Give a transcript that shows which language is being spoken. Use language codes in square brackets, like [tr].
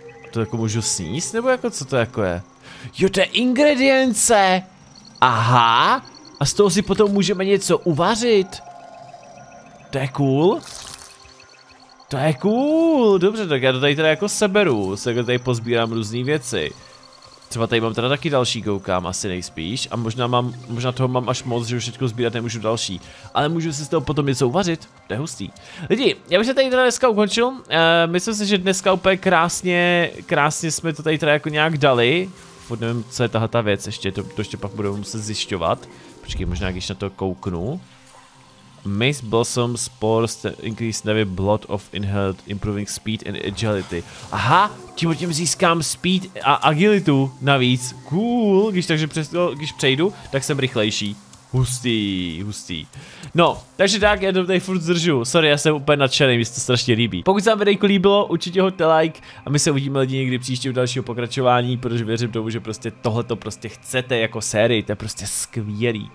[cs] To jako můžu sníst, nebo jako co to jako je? Jo, to je ingredience. Aha. A z toho si potom můžeme něco uvařit. To je cool. To je cool. Dobře, tak já to tady teda jako seberu. Se tady pozbírám různé věci. Třeba tady mám teda taky další, koukám, asi nejspíš. A možná mám, možná toho mám až moc, že už všechno sbírat nemůžu další. Ale můžu si z toho potom něco uvařit, to je hustý. Lidi, já bych se tady teda dneska ukončil. Myslím si, že dneska úplně krásně jsme to tady teda jako nějak dali. Furt nevím, co je tahle ta věc, ještě to ještě pak budeme muset zjišťovat. Počkej, možná když na to kouknu. [en] Mace Blossom Spores increase heavy blood of inhaled, improving speed and agility. [cs] Aha, tím získám speed a agilitu navíc. Cool, když přejdu, tak jsem rychlejší. Hustý, hustý. No, takže tak, já to tady furt zdržu. Sorry, já jsem úplně nadšený, mi se to strašně líbí. Pokud se vám videjko líbilo, určitě hoďte like a my se uvidíme lidi někdy příště u dalšího pokračování, protože věřím tomu, že prostě tohleto prostě chcete jako sérii, to je prostě skvělý.